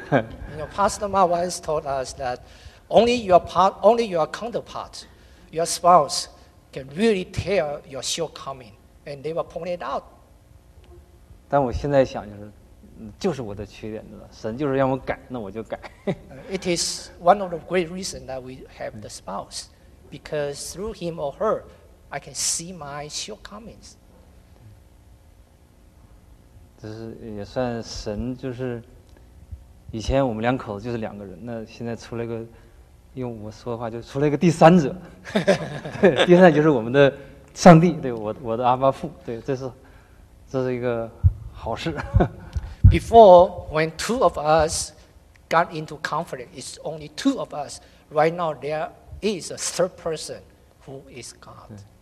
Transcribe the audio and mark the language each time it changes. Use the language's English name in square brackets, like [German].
[English] You know, Pastor Ma once told us that only your counterpart, your spouse, can really tell your shortcoming, and they will point it out. [Chinese] 但我现在想就是，就是我的缺点了。神就是让我改，那我就改。 [English] It is one of the great reasons that we have the spouse, because through him or her, I can see my shortcomings. [Chinese] 这是也算神就是。以前我们两口子就是两个人，那现在出了一个，用我说的话就出了一个第三者，第三者就是我们的上帝，对，我的阿爸父，对，这是一个好事。 [English] Before when two of us got into conflict, it's only two of us. Right now there is a third person who is God.